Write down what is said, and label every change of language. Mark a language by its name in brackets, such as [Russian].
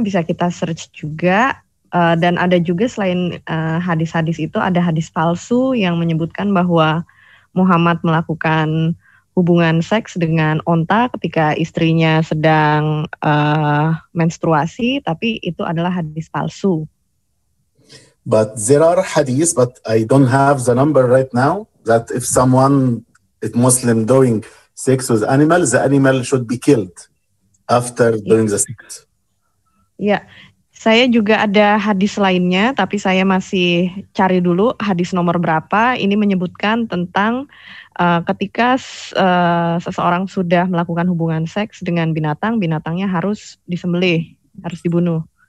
[Indonesian] Bisa kita search juga dan ada juga selain hadis-hadis itu ada hadis palsu yang menyebutkan bahwa Muhammad melakukan hubungan seks dengan onta ketika istrinya sedang menstruasi, tapi itu adalah hadis palsu. [English] But there are hadith, but I don't have the number right now, that if someone, if Muslim doing sex with animal, the animal should be killed after doing the sex. [Indonesian] Ya, saya juga ada hadis lainnya, tapi saya masih cari dulu hadis nomor berapa. Ini menyebutkan tentang ketika seseorang sudah melakukan hubungan seks dengan binatang, binatangnya harus disembelih, harus dibunuh.